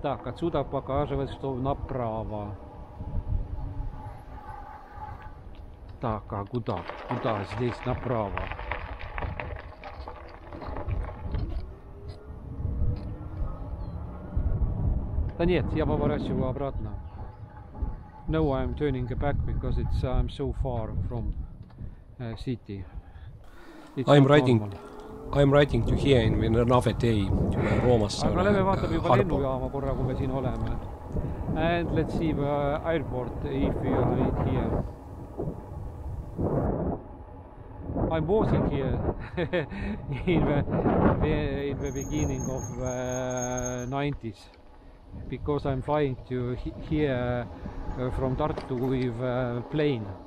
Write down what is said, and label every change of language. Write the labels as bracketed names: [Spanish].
[Russian] Так, отсюда показывает, что направо. Так, а куда? Куда здесь направо? Да нет, я поворачиваю обратно. [English] No, I'm turning back because it's I'm so far from city. I'm riding to here in another day to Roomasse. [Estonian] Aga lähme vaatame juba lennujaama korra, kui me siin oleme. [English] And let's see the airport if we are right here. I'm walking here in the beginning of the 90s. Because I'm flying to here from Tartu with a plane.